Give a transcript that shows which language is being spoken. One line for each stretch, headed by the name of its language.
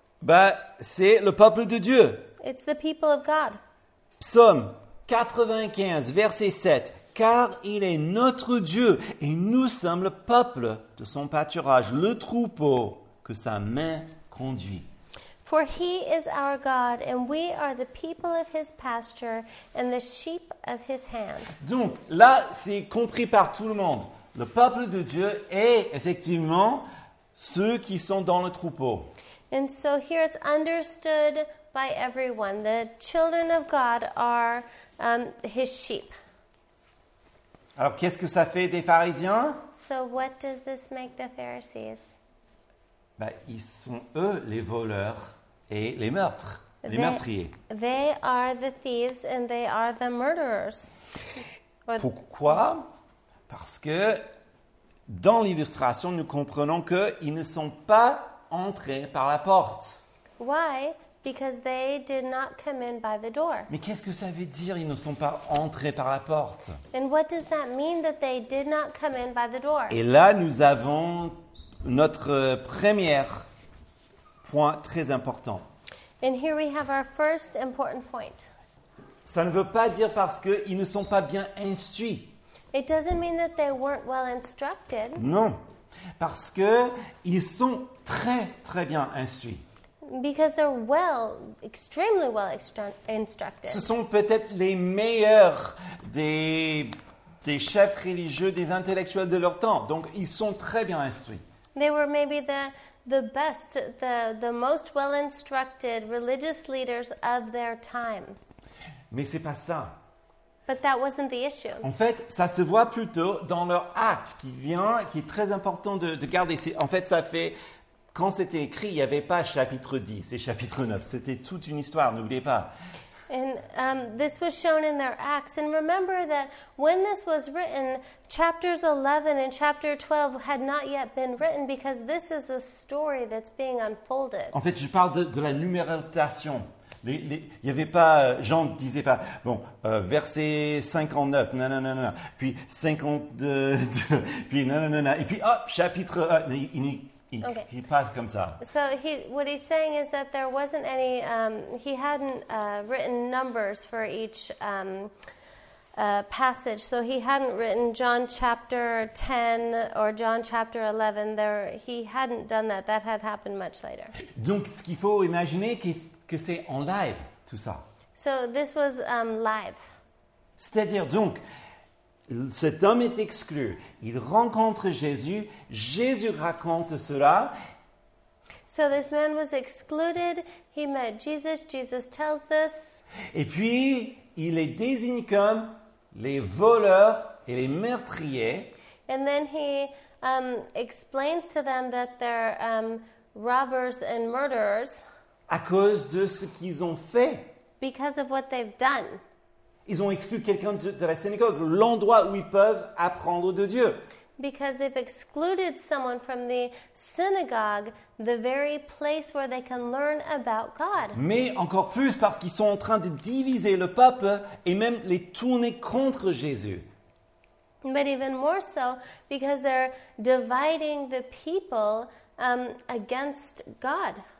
French: Ben, c'est le peuple de Dieu.
English: It's the people of God.
French: Psaume 95, verset 7. Car il est notre Dieu et nous sommes le peuple de son pâturage, le troupeau que sa main conduit.
English: For he is our God and we are the people of his pasture and the sheep of his hand.
French: Donc là, c'est compris par tout le monde. Le peuple de Dieu est effectivement ceux qui sont dans le troupeau.
English: And so here it's understood by everyone. The children of God are his sheep.
French: Alors, qu'est-ce que ça fait des pharisiens?
English: So what does this make the Pharisees?
French: Ben, ils sont, eux, les voleurs et les meurtres, les meurtriers.
English: They are the thieves and they are the murderers.
French: Pourquoi? Parce que dans l'illustration, nous comprenons qu'ils ne sont pas entrés par la porte.
English: Why? Because they did not come in by the door.
French: Mais qu'est-ce que ça veut dire, ils ne sont pas entrés par la porte?
English: And what does that mean that they did not come in by the door?
French: Et là, nous avons notre premier point très important.
English: And here we have our first important point.
French: Ça ne veut pas dire parce qu'ils ne sont pas bien instruits.
English: It doesn't mean that they weren't well instructed.
French: Non, parce que ils sont très, très bien instruits.
English: Because they're well, extremely well instructed.
French: Ce sont peut-être les meilleurs des chefs religieux, des intellectuels de leur temps. Donc, ils sont très bien instruits.
English: They were maybe the best, the most well instructed religious leaders of their time.
French: Mais c'est pas ça.
English: But that wasn't the issue.
French: En fait, ça se voit plutôt dans leur acte qui est très important de garder. En fait, ça fait. Quand c'était écrit, il n'y avait pas chapitre 10 et chapitre 9. C'était toute une histoire, n'oubliez pas.
English: And this was shown in their acts. And remember that when this was written, chapters 11 and chapter 12 had not yet been written because this is a story that's being unfolded.
French: En fait, je parle de la numérotation. Il n'y avait pas, Jean ne disait pas, bon, verset 59, nanana, puis 52, puis nanana, et puis hop, chapitre 1, il n'est pas comme ça.
English: So what he's saying is that there wasn't any, he hadn't written numbers for each passage. So he hadn't written John chapter 10 or John chapter 11. He hadn't done that. That had happened much later.
French: Donc, ce qu'il faut imaginer, que c'est en live, tout ça.
English: So this was live.
French: C'est-à-dire donc, cet homme est exclu. Il rencontre Jésus. Jésus raconte cela.
English: So this man was excluded. He met Jesus. Jesus tells this.
French: Et puis, il les désigne comme les voleurs et les meurtriers.
English: And then he explains to them that they're robbers and murderers.
French: À cause de ce qu'ils ont fait.
English: Because of what they've done.
French: Ils ont exclu quelqu'un de la synagogue, l'endroit où ils peuvent apprendre de Dieu.
English: Because they've excluded someone from the synagogue, the very place where they can learn about God.
French: Mais encore plus parce qu'ils sont en train de diviser le peuple et même les tourner contre Jésus.
English: But even more so, because they're dividing the people against God.